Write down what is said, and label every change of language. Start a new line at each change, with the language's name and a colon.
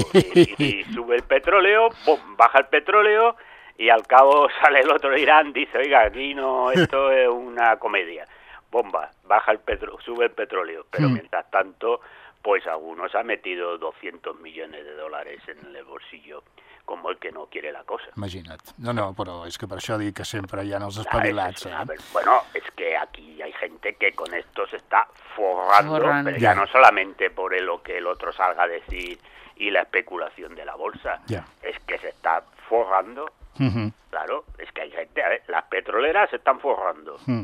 Spanish: Y sube el petróleo, ¡pum!, baja el petróleo y al cabo sale el otro de Irán, dice, oiga, aquí no, esto es una comedia. Bomba, baja el petróleo, sube el petróleo, pero mientras tanto... Pues algunos ha metido 200 millones de dólares en el bolsillo, como el que no quiere la cosa.
Catalan: Imagina't. No, però és que per això dic que sempre hi ha els espavilats.
Spanish: Bueno,
Catalan: és que
Spanish: aquí hay gente que con esto se está forrando, pero ya no solamente por lo que el otro salga a decir y la especulación de la bolsa, es que se está forrando. Claro, es que hay gente, a ver, las petroleras se están forrando.